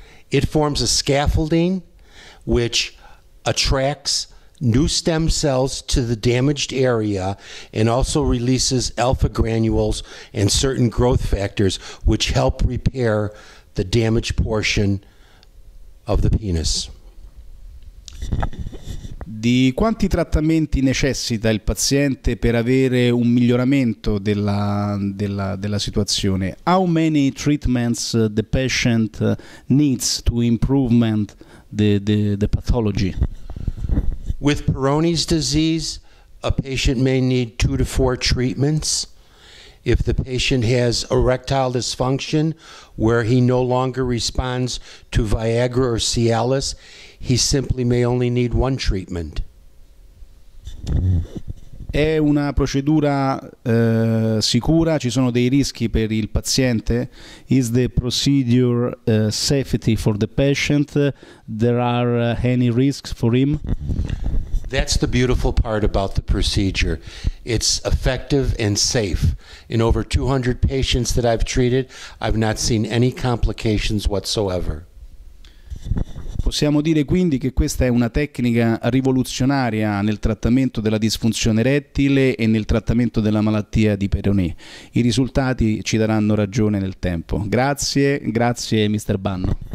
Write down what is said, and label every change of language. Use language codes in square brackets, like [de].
[en] It forms a scaffolding which attracts new stem cells to the damaged area and also releases alpha granules and certain growth factors which help repair the damaged portion of the penis. [it] Di quanti trattamenti necessita il paziente per avere un miglioramento della situazione? [en] How many treatments the patient needs to improve the pathology? With Peyronie's disease, a patient may need 2 to 4 treatments. If the patient has erectile dysfunction, where he no longer responds to Viagra or Cialis, he simply may only need 1 treatment. [it] È una procedura sicura? Ci sono dei rischi per il paziente? [en] Is the procedure safety for the patient? There are any risks for him? That's the beautiful part about the procedure. It's effective and safe. In over 200 patients that I've treated, I've not seen any complications whatsoever. [it] Possiamo dire quindi che questa è una tecnica rivoluzionaria nel trattamento della disfunzione erettile e nel trattamento della malattia di Peyronie. I risultati ci daranno ragione nel tempo. Grazie, grazie Mr. Banno.